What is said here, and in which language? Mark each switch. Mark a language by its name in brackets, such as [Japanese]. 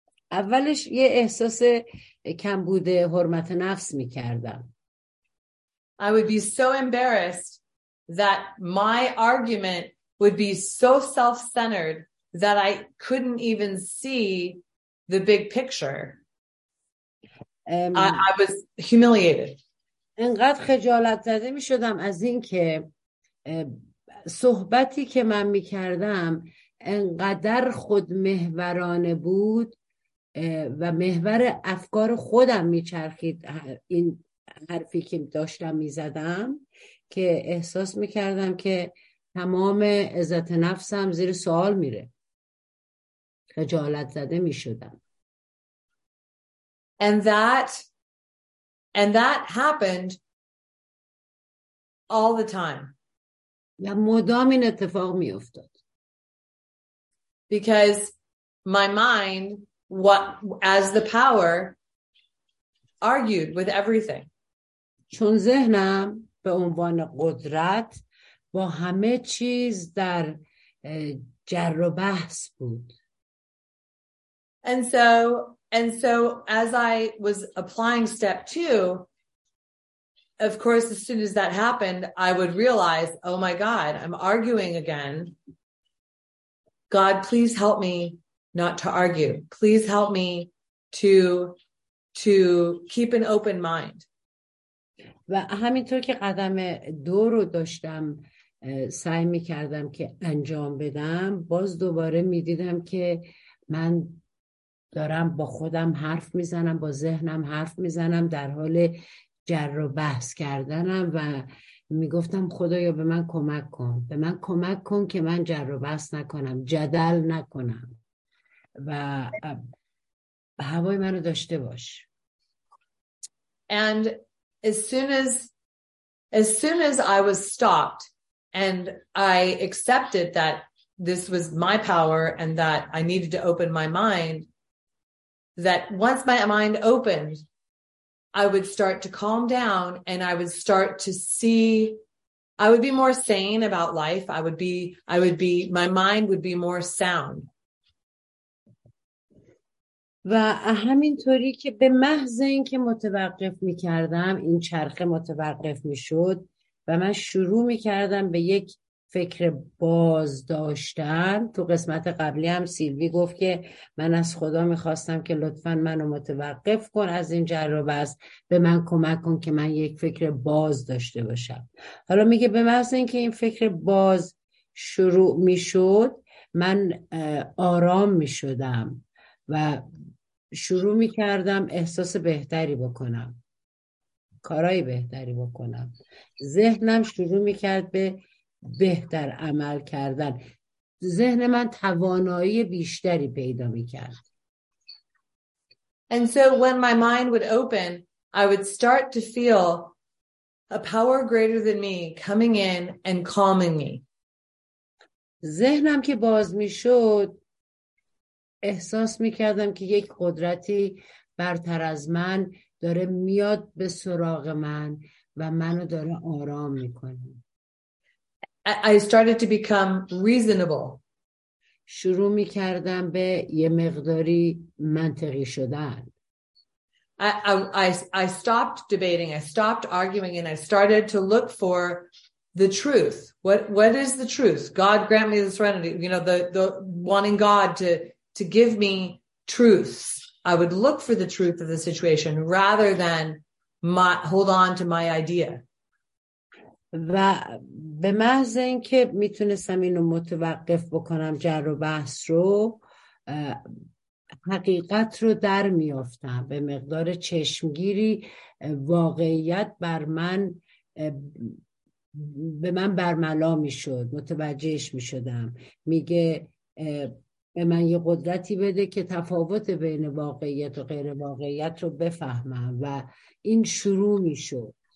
[Persian] اولش یه احساس کم بوده حرمت نفس می کردم. [English] I would be so embarrassed that my argument would be so self-centered that I couldn't even see the big picture. I was humiliated. [Persian] انقدر خجالت زده می شدم از این که صحبتی که من می کردم انقدر خودمحورانه بود و محور افکار خودم میچرخید، این حرفی که داشتم میزدم که احساس میکردم که تمام عزت نفسم زیر سوال میره، خجالت زده میشدم. [English] And that happened all the time. [Persian] و مدام این اتفاق میافتاد. [English] Because my mind, what as the power, argued with everything. [Persian] چون ذهنم به عنوان قدرت با همه چیز در جر و بحث بود. [English] And so as I was applying step two, of course, as soon as that happened, I would realize, oh my God, I'm arguing again. God, please help me not to argue. Please help me to keep an open mind. [Persian] و همینطور که قدم دو رو داشتم سعی میکردم که انجام بدم، باز دوباره میدیدم که من دارم با خودم حرف میزنم، با ذهنم حرف میزنم، در حال جر و بحث کردنم و میگفتم خدایا به من کمک کن، به من کمک کن که من جر و بحث نکنم، جدل نکنم و هوای منو داشته باش. [English] And as soon as I was stopped and I accepted that this was my power and that I needed to open my mind, that once my mind opened, I would start to calm down and I would start to see, I would be more sane about life. I would be my mind would be more sound. [Persian] و همینطوری که به محض این که متوقف می کردم، این چرخه متوقف می شد و من شروع می کردم به یک فکر باز داشتن. تو قسمت قبلی هم سیلوی گفت که من از خدا می خواستم که لطفاً منو متوقف کن از این جر و بحث، به من کمک کن که من یک فکر باز داشته باشم. حالا میگه به محض این که این فکر باز شروع می شد، من آرام می شدم و شروع می کردم احساس بهتری بکنم. کارای بهتری بکنم. ذهنم شروع میکرد به بهتر عمل کردن. ذهن من توانایی بیشتری پیدا میکرد. [English] And so when my mind would open, I would start to feel a power greater than me coming in and calming me. [Persian] ذهنم که باز میشد احساس میکردم که یک قدرتی برتر از من داره میاد به سراغ من و منو داره آرام میکنه. [English] I started to become reasonable. [Persian] شروع میکردم به یه مقداری منطقی شدن. [English] I stopped debating, I stopped arguing, and I started to look for the truth. What is the truth? God grant me the serenity, you know, the wanting God to give me truth. I would look for the truth of the situation rather than hold on to my idea. [Persian] و به محض اینکه میتونستم اینو متوقف بکنم جر و بحث رو حقیقت رو در میافتم به مقدار چشمگیری واقعیت بر من به من برملا میشد متوجهش میشدم میگه به من یه قدرتی بده که تفاوت بین واقعیت و غیر واقعیت رو بفهمم و این شروع میشد.